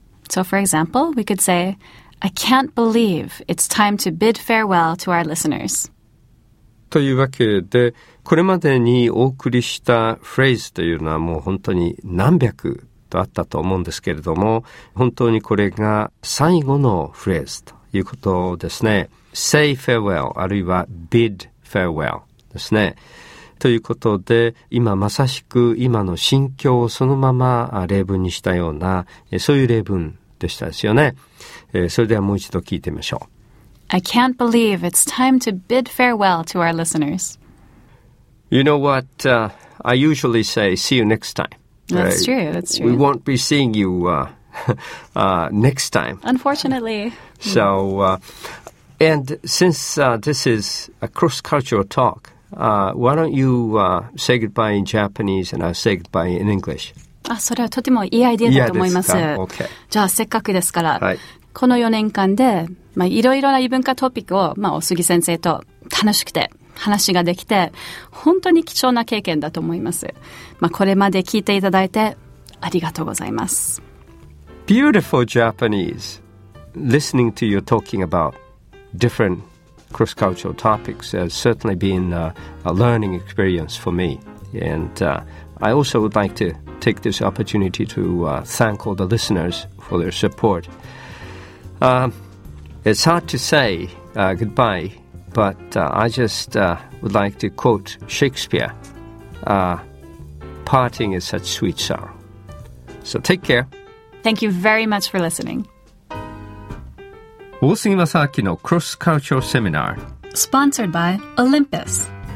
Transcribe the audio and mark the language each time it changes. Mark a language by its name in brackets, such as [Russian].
[English] So, for example, we could say, I can't believe it's time to bid farewell to our listeners. [Japanese] というわけで、これまでにお送りしたフレーズというのはもう本当に何百とあったと思うんですけれども、本当にこれが最後のフレーズということですね。 [English] Say farewell, [Japanese] あるいは [English] bid farewell [Japanese] ですね。ということで、今まさしく今の心境をそのまま例文にしたような、そういう例文でしたですよね。それではもう一度聞いてみましょう。 [English] I can't believe it's time to bid farewell to our listeners. You know what? I usually say see you next time. That's true, that's true. We won't be seeing you next time. Unfortunately. So, and since this is a cross-cultural talk,why don't you say goodbye in Japanese and I'll say goodbye in English? [Japanese] あ、それはとてもいいアイデアだと思います。 [English] Yeah, this is okay. [Japanese] じゃあせっかくですから、はい、この4年間で、まあ、いろいろな異文化トピックを、まあ、お杉先生と楽しくて話ができて、本当に貴重な経験だと思います。まあ、これまで聞いていただいてありがとうございます。 [English] Beautiful Japanese. Listening to you talking about differentcross-cultural topics has certainly been a learning experience for me. And I also would like to take this opportunity to thank all the listeners for their support. It's hard to say goodbye, but I just would like to quote Shakespeare, parting is such sweet sorrow. So take care. Thank you very much for listening. [Japanese] 大杉正明のクロスカルチャーセミナー、 [English] スポンサードバイオリンピス。